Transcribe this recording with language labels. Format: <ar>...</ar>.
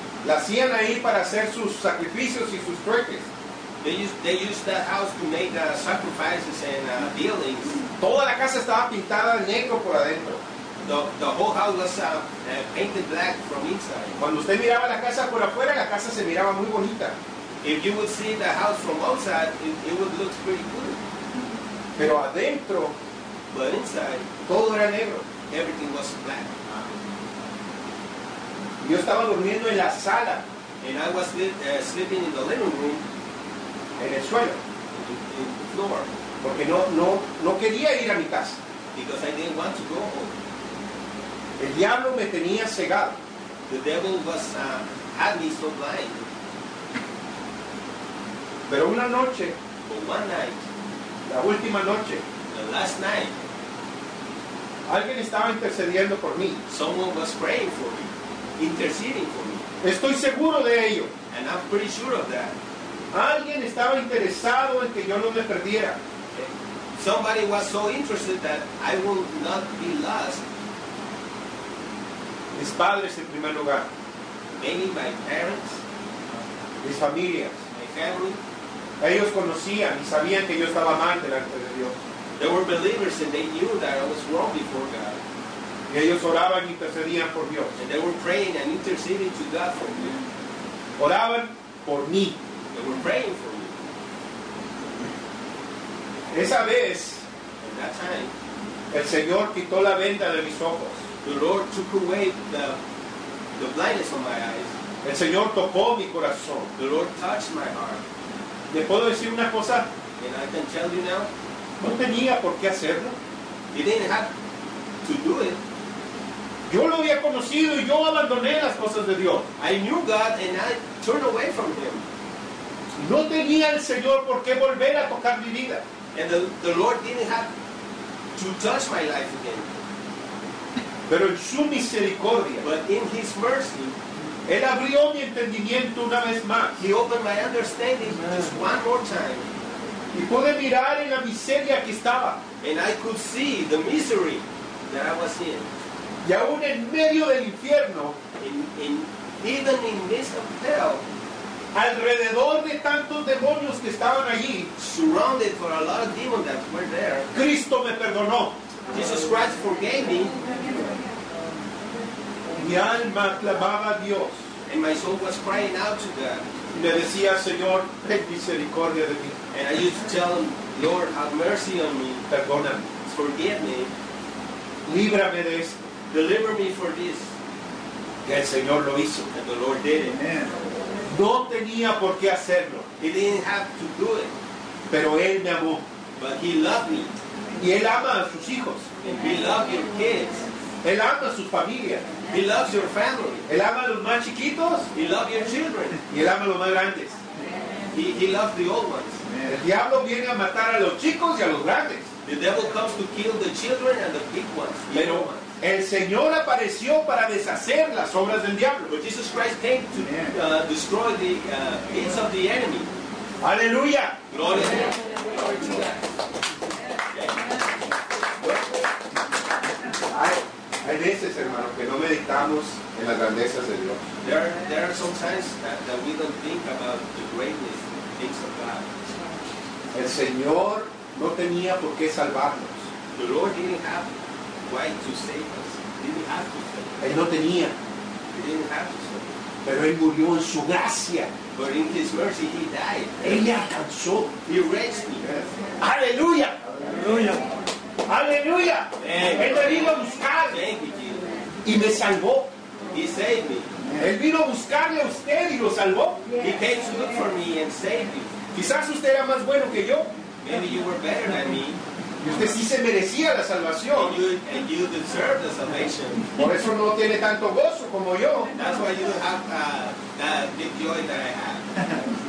<es>La hacían ahí para hacer sus sacrificios y sus trueques.</es> <en>They used that house to make sacrifices and dealings.</en> <es>Toda la casa estaba pintada negro por adentro.</es> <en>The whole house was painted black from inside.</en> <es>Cuando usted miraba la casa por afuera, la casa se miraba muy bonita.</es> <en>If you would see the house from outside, it would look pretty good.</en> <es>Pero adentro,</es> <en>but inside,</en> <es>todo era negro.</es> <en>Everything was black.</en> <es>Yo estaba durmiendo en la sala.</es> <en>And I was sleeping in the living room.</en> <es>En el suelo.</es> <en>In the floor.</en> <es>Porque no quería ir a mi casa.</es> <en>Because I didn't want to go home.</en> <es>El diablo me tenía cegado.</es> <en>The devil was had me so blind.</en> <es>Pero una noche,</es> <en>one night,</en> <es>la última noche,</es> <en>the last night,</en> <es>alguien estaba intercediendo por mí.</es> <en>Someone was praying for me, interceding for me.</en> <es>Estoy seguro de ello.</es> <en>And I'm pretty sure of that.</en> <es>Alguien estaba interesado en que yo no me perdiera.</es> <en>Somebody was so interested that I will not be lost.</en> <es>Mis padres en primer lugar.</es> <en>Maybe my parents.</en> <es>Mis familias.</es> <en>My family.</en> <es>Ellos conocían y sabían que yo estaba mal delante de Dios.</es> <en>They were believers and they knew that I was wrong before God.</en> <es>Y ellos oraban y intercedían por Dios.</es> <en>And they were praying and interceding to God for me.</en> <es>Oraban por mí.</es> <en>They were praying for me.</en> <es>Esa vez,</es> <en>at that time,</en> <es>el Señor quitó la venda de mis ojos.</es> <en>The Lord took away the blindness of my eyes.</en> <es>El Señor tocó mi corazón.</es> <en>The Lord touched my heart.</en> <es>¿Le puedo decir una cosa?</es> <en>And I can tell you now,</en> <es>No tenía por qué hacerlo.</es> <en>He didn't have to do it.</en> <es>Yo lo había conocido y yo abandoné las cosas de Dios.</es> <en>I knew God and I turned away from Him.</en> <es>No tenía el Señor por qué volver a tocar mi vida.</es> <en>And the Lord didn't have to touch my life again.</en> <es>Pero en su misericordia,</es> <en>but in His mercy,</en> <es>Él abrió mi entendimiento una vez más.</es> <en>He opened my understanding just one more time.</en> <es>Y pude mirar en la miseria que estaba.</es> <en>And I could see the misery that I was in.</en> <es>Y aún en medio del infierno,</es> <en>even in midst of hell,</en> <es>alrededor de tantos demonios que estaban allí,</es> <en>surrounded for a lot of demons that were there,</en> <es>Cristo me perdonó.</es> <en>Jesus Christ forgave me.</en> <es>Mi alma clamaba a Dios.</es> <en>And my soul was crying out to God.</en> <es>Me decía, Señor, ten misericordia de mí.</es> <en>And I used to tell him, Lord, have mercy on me.</en> <es>Perdóname.</es> <en>Forgive me.</en> <es>Líbrame de esto.</es> <en>Deliver me for this.</en> <es>Y el Señor lo hizo.</es> <en>And the Lord did it.</en> <es>Amen. No tenía por qué hacerlo.</es> <en>He didn't have to do it.</en> <es>Pero Él me amó.</es> <en>But He loved me.</en> <es>Y Él ama a sus hijos.</es> <en>And He loved your kids.</en> <es>Él ama a su familia.</es> <en>He loves your family.</en> <es>Él ama a los más chiquitos.</es> <en>He loves your children.</en> <es>Y Él ama a los más grandes.</es> <en>He loves the old ones.</en> <es>El diablo viene a matar a los chicos y a los grandes.</es> <en>The devil comes to kill the children and the big ones.</en> <es>Pero el Señor apareció para deshacer las obras del diablo.</es> <en>But Jesus Christ came to destroy the gates of the enemy.</en> <es>Aleluya. Gloria a Dios. Hay veces, hermano, que no meditamos en las grandezas de Dios.</es> <en>There are sometimes that we don't think about the greatness and things of God.</en> <es>El Señor no tenía por qué salvarnos.</es> <en>The Lord didn't have why to save us. He didn't have to save us.</en> <es>Él no tenía.</es> <en>He didn't have to save us.</en> <es>Pero Él murió en su gracia.</es> <en>But in His mercy He died.</en> <es>Él me alcanzó.</es> <en>He raised me. Yes.</en> <es>Aleluya. Aleluya. Aleluya.</es> <en>Amen.</en> <es>Él me vino a buscar. Y me salvó.</es> <en>He saved me.</en> <es>Él vino a buscarle a usted y lo salvó.</es> <en>He came to look for me and saved me.</en> <es>Quizás usted era más bueno que yo.</es> <en>Maybe you were better than me.</en> <es>Y usted sí se merecía la salvación.</es> <en>And you deserve the salvation.</en> <es>Por eso no tiene tanto gozo como yo.</es> <en>And that's why you have that big joy that I have.</en>